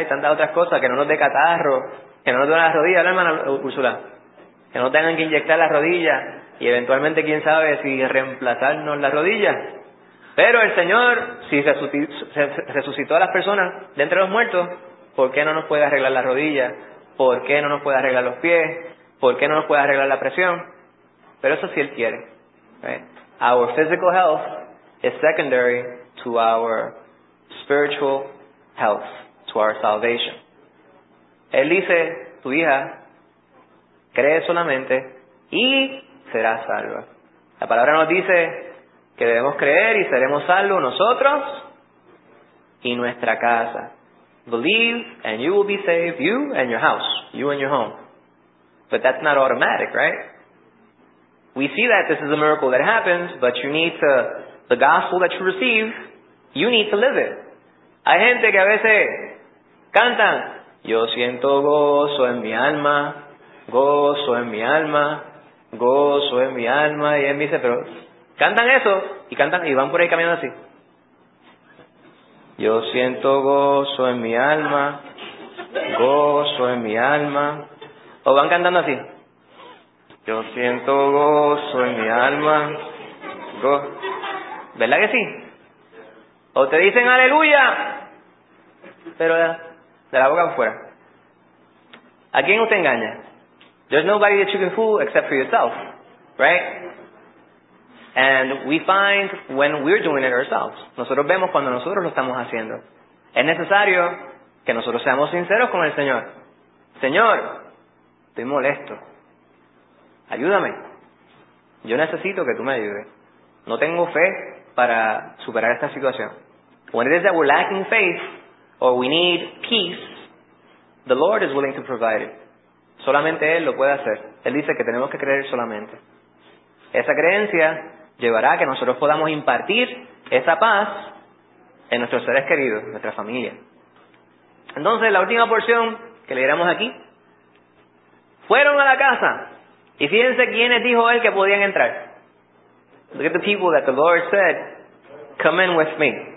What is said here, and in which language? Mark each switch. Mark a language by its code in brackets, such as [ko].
[es] Hay tantas otras cosas, que no nos dé catarro, que no nos duela las rodillas, hermana Úrsula, que no tengan que inyectar las rodillas y eventualmente quién sabe si reemplazarnos las rodillas. Pero el Señor, si resucitó a las personas de entre los muertos, ¿por qué no nos puede arreglar las rodillas? ¿Por qué no nos puede arreglar los pies? ¿Por qué no nos puede arreglar la presión? Pero eso sí Él quiere. [en] Right? Our physical health is secondary to our spiritual health, to our salvation. [es] Él dice, tu hija, cree solamente y serás salva. La palabra nos dice que debemos creer y seremos salvos nosotros y nuestra casa. [en] Believe and you will be saved, you and your house, you and your home. But that's not automatic, right? We see that this is a miracle that happens, but you need to, the gospel that you receive, you need to live it. [es] Hay gente que a veces cantan, yo siento gozo en mi alma, gozo en mi alma, gozo en mi alma y en mi ser. Pero cantan eso y cantan y van por ahí caminando así. Yo siento gozo en mi alma, gozo en mi alma. O van cantando así. Yo siento gozo en mi alma, gozo. ¿Verdad que sí? O te dicen aleluya, pero de la boca afuera. ¿A quién usted engaña? [en] There's nobody that you can fool except for yourself, right? And we find when we're doing it ourselves. [es] Nosotros vemos cuando nosotros lo estamos haciendo. Es necesario que nosotros seamos sinceros con el Señor. Señor, estoy molesto. Ayúdame. Yo necesito que tú me ayudes. No tengo fe para superar esta situación. [en] When it is that we're lacking faith or we need peace, the Lord is willing to provide it. [es] Solamente Él lo puede hacer. Él dice que tenemos que creer solamente. Esa creencia llevará a que nosotros podamos impartir esa paz en nuestros seres queridos, nuestra familia. Entonces, la última porción que leeremos aquí, fueron a la casa, y fíjense quiénes dijo él que podían entrar. [en] Look at the people that the Lord said, come in with me.